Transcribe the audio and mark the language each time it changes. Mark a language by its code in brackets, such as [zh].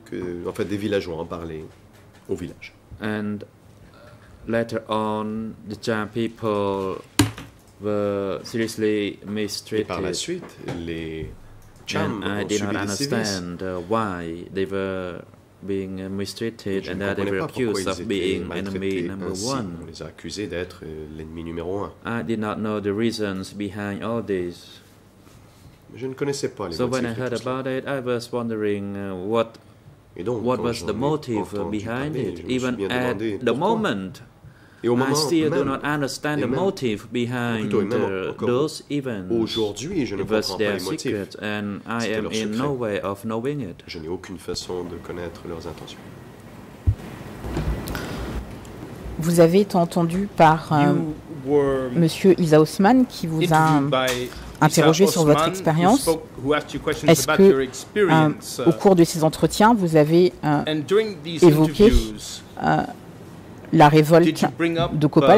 [fr] Que, en fait, des villageois en parlaient au village. [en] And later on, the Cham people were seriously mistreated. [fr] Et par la suite, les Cham [en] and [fr] ont subi des sévices. [en] I did not understand why they were being mistreated and that they were accused of being enemy number one. [fr] On les a accusés d'être l'ennemi numéro un. [en] I did not know the reasons behind all this. [fr] Je ne connaissais pas les motifs. [en] So when I heard about it, I was wondering what was the motive behind it. Even at the moment, I still do not understand the motive behind those events. [fr] Aujourd'hui, je ne comprends pas les motifs. [en] And I am in no way of knowing it. [fr] Je n'ai aucune façon de connaître leurs intentions. Vous avez été entendu par Monsieur Isa Osman qui vous a interrogé sur votre expérience. Est-ce que, au cours de ces entretiens, vous avez évoqué la révolte de Copal?